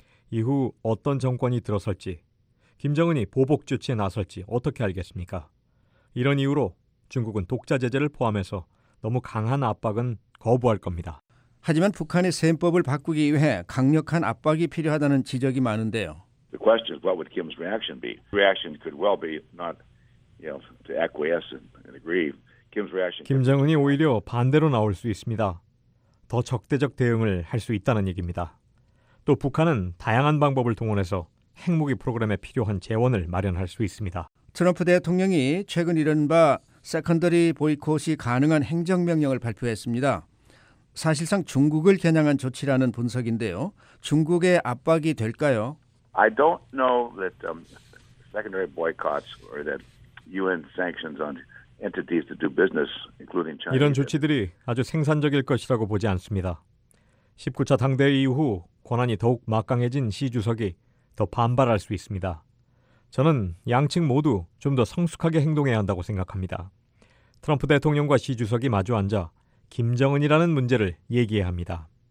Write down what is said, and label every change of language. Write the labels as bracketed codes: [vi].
[ko] 이후 어떤 정권이 들어설지 김정은이 보복 조치에 나설지 어떻게 알겠습니까? 이런 이유로 중국은 독자 제재를 포함해서 너무 강한 압박은 거부할 겁니다. 하지만 북한의 셈법을 바꾸기 위해 강력한 압박이 필요하다는 지적이 많은데요. [en] The question is what would Kim's reaction be? Reaction could well be not, you know, to acquiesce and agree. Kim's reaction. [ko] 김정은이 오히려 반대로 나올 수 있습니다. 더 적대적 대응을 할 수 있다는 얘기입니다. 또 북한은 다양한 방법을 동원해서 핵무기 프로그램에 필요한 재원을 마련할 수 있습니다. 트럼프 대통령이 최근 이른바 세컨더리 보이콧이 가능한 행정명령을 발표했습니다. 사실상 중국을 겨냥한 조치라는 분석인데요. 중국의 압박이 될까요? [en] I don't know that secondary boycotts or that UN sanctions on entities to do business, including China. [ko] 이런 조치들이 아주 생산적일 것이라고 보지 않습니다. 19차 당대회 이후 권한이 더욱 막강해진 시 주석이 더 반발할 수 있습니다. 저는 양측 모두 좀 더 성숙하게 행동해야 한다고 생각합니다. 트럼프 대통령과 시 주석이 마주 앉아 김정은이라는 문제를 얘기합니다.